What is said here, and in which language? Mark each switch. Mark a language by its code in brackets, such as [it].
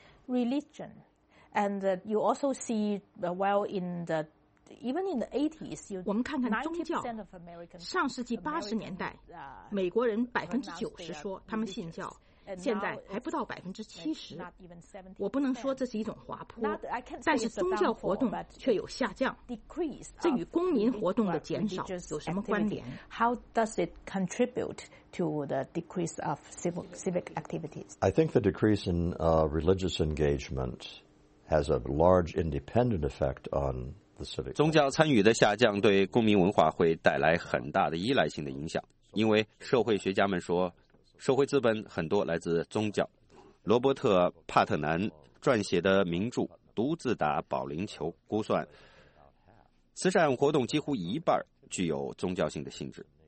[en] Religion, and you also see well in the even in the 80s. [zh] 我们看看宗教。上世纪八十年代，美国人90%说他们信教。现在还不到70%，我不能说这是一种滑坡，但是宗教活动却有下降，这与公民活动的减少有什么关联？ [en] How does it contribute to the decrease of civic activities? I think the decrease in religious engagement has a large independent effect on the civic. [zh] 宗教参与的下降对公民文化会带来很大的依赖性的影响，因为社会学家们说社会资本很多来自宗教。罗伯特·帕特南撰写的名著《独自打保龄球》估算，慈善活动几乎一半具有宗教性的性质。